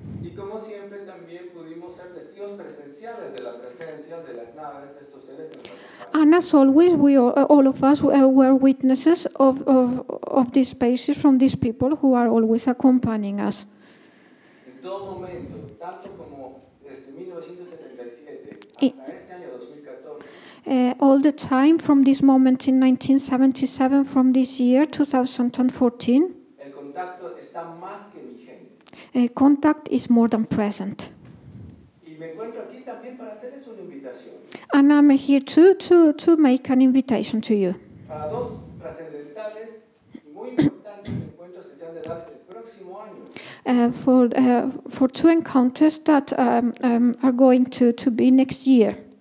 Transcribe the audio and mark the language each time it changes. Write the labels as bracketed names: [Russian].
[Spanish] Y como siempre, también pudimos ser testigos presenciales de la presencia de las naves de estos seres. [English] And as always, we all of us were witnesses of these spaces from these people who are always accompanying us. [Spanish] En todo momento, tanto como desde 1977 hasta este año 2014. [English] All the time from this moment in 1977, from this year 2014, [Spanish] el contacto está más que vigente. [English] Contact is more than present. [Spanish] Y me encuentro aquí también para hacerles una invitación. [English] And I'm here to make an invitation to you. [Spanish] Para dos trascendentales, muy importantes encuentros que se han de dar el próximo año. [English] For two encounters that are going to be next year.